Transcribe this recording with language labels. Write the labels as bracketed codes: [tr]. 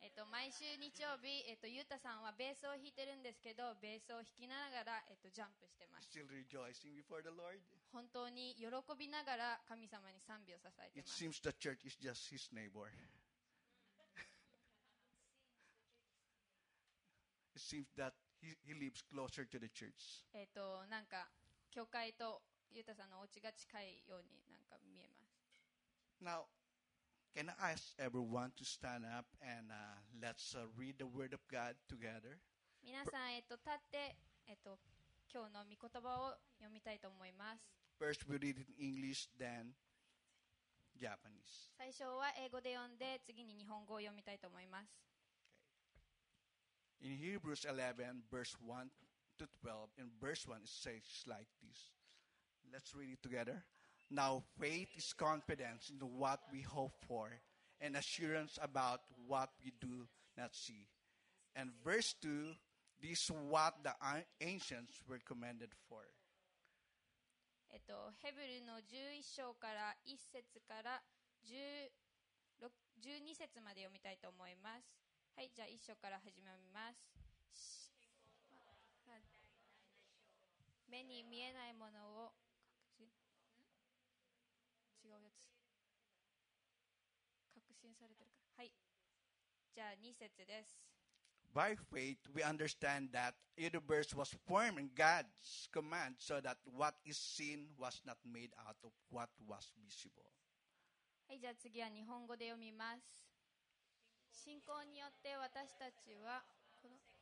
[ja] 毎週日曜日、ユタさんはベースを弾いてるんですけど、ベースを弾きながら、ジャンプしてます。 [en] Still rejoicing before the Lord. [ja] 本当に喜びながら神様に賛美を捧えてます。 [en] It seems the church is just his neighbor. It seems that he lives closer to the church. [ja] なんか教会とユタさんのお家が近いようになんか見えます。 [en] Now, can I ask everyone to stand up and let's read the word of God together? [ja] 皆さん、立って、今日の御言葉を読みたいと思います。 [en] First, we read in English, then Japanese. [ja] 最初は英語で読んで、次に日本語を読みたいと思います。 [en] Okay. In Hebrews 11, verse 1 to 12, in verse 1, it says like this. Let's read it together. Now faith is confidence in what we hope for and assurance about what we do not see. And verse 2, this is what the ancients were commended for. [ja] ヘブルの11章から1節から12節まで読みたいと思います。はい、じゃあ1章から始めます。目に見えないものを違うやつ確信されてるか、はい、じゃあ2節です。 [en] By faith we understand that universe was formed in God's command so that what is seen was not made out of what was visible. [ja] はい、じゃあ次は日本語で読みます。信仰によって私たちはこの